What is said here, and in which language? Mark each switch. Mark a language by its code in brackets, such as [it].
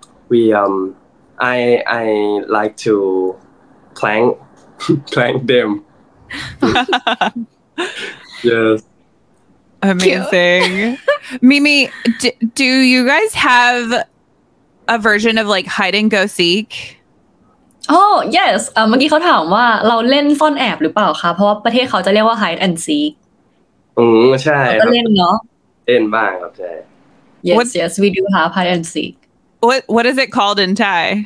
[en] We I like to prank them. Yes. Amazing. Mimi, do you guys have a version of like hide and go seek? Oh, yes. [th] เมื่อกี้เขาถามว่าเราเล่นซ่อนแอบหรือเปล่าคะเพราะว่าประเทศเขาจะเรียกว่า [en] hide and seek [th] อืมใช่ เราก็เล่นเนาะ เล่นบ้างครับใช่ [en] Yes, yes, we do have hide and seek. What is it called in Thai?